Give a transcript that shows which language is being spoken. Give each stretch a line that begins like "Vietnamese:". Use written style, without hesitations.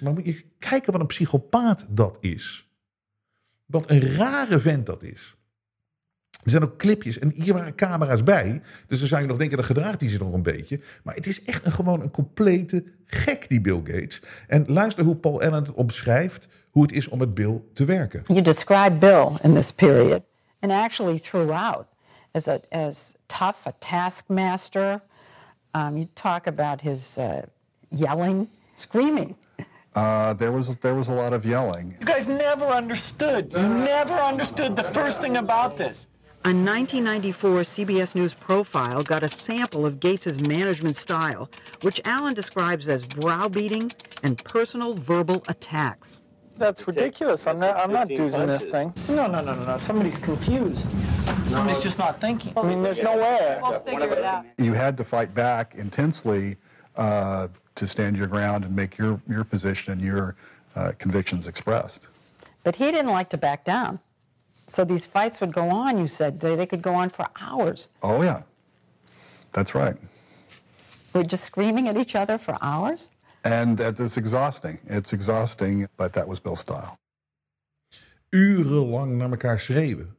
Dutch: Maar moet je kijken wat een psychopaat dat is. Wat een rare vent dat is. Er zijn ook clipjes. En hier waren camera's bij. Dus dan zou je nog denken, dan gedraagt hij zich nog een beetje. Maar het is echt gewoon een complete gek, die Bill Gates. En luister hoe Paul Allen het omschrijft, hoe het is om met Bill te werken.
English: You describe Bill in this period. And actually throughout. As tough a taskmaster. You talk about his yelling, screaming. There was a lot of yelling. You guys never understood. You never understood the first thing about this. A 1994 CBS News profile got a sample of Gates' management style, which Allen describes as browbeating and personal verbal attacks. That's ridiculous. I'm not doing this thing. No. Somebody's confused. Somebody's just not thinking. I mean, there's no way. We'll figure it out. You had to fight back intensely to stand your ground and make your position and your convictions expressed. But he didn't like to back down. So these fights would go on, you said. They could go on for hours. Oh, yeah. That's right. They're just screaming at each other for hours? And it's exhausting. It's exhausting, but that was Bill's style.
Dutch: Urenlang naar elkaar schreeuwen.